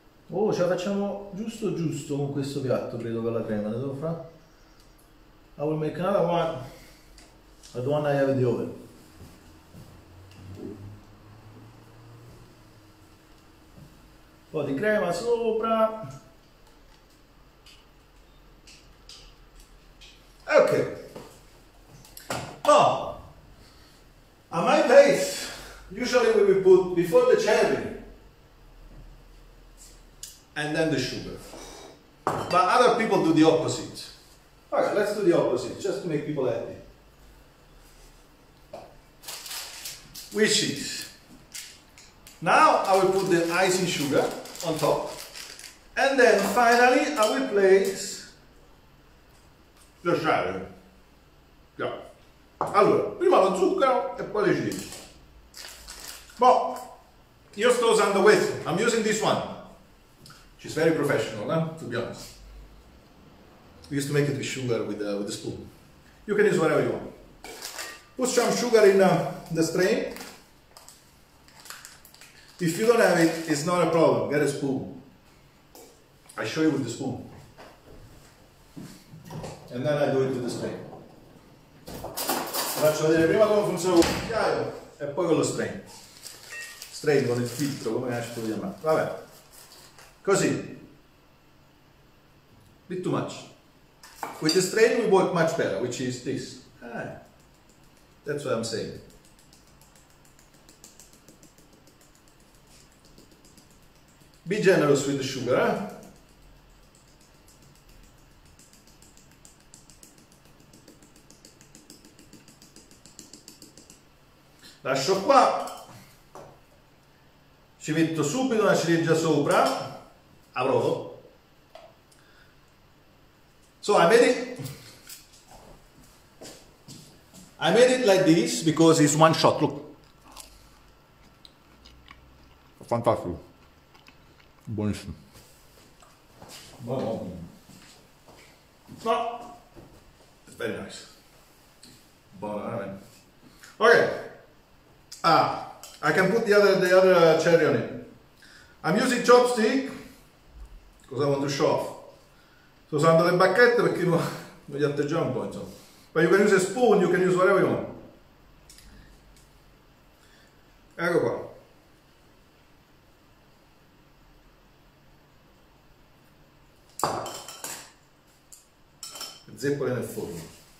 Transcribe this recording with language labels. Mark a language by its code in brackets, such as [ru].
[it] Oh, ce la facciamo giusto giusto con questo piatto, credo, con la crema. Ne devo fare? [en] I will make another one, but the one I have in the oven. [it] Un po' di crema sopra. [en] Ok. Oh, at my place, usually we will put before the cherry and then the sugar. But other people do the opposite. Okay, let's do the opposite, just to make people happy. Which is, now I will put the icing sugar on top, and then finally I will place the cherry. Yeah. [it] Allora, prima lo zucchero e poi le ciliegie. Boh, io sto usando questo. [en] I'm using this one. She's very professional, eh? To be honest. We used to make it with sugar with the spoon. You can use whatever you want. Put some sugar in the strain. If you don't have it, it's not a problem. Get a spoon. I show you with the spoon. And then I do it with the strain. [it] Faccio vedere prima come funziona con il cucchiaio e poi con lo strain. Strain con il filtro, come esce tu chiamato. Vabbè. Così. [en] Bit too much. With the strain we work much better, which is this. That's what I'm saying. Be generous with the sugar, eh? [it] Lascio qua, ci metto subito una ciliegia sopra, a brodo. [en] So I made it like this because it's one shot, look. [it] Fantastico. Buonissimo. [en] Buono. It's very nice. Buono, eh? Okay. Ah, I can put the other cherry on it. I'm using chopstick because I want to show off. [it] Sto usando le bacchette perché voglio atteggiare un po', insomma. [en] But you can use a spoon, you can use whatever you want. [it] Ecco qua. Le zeppole nel forno.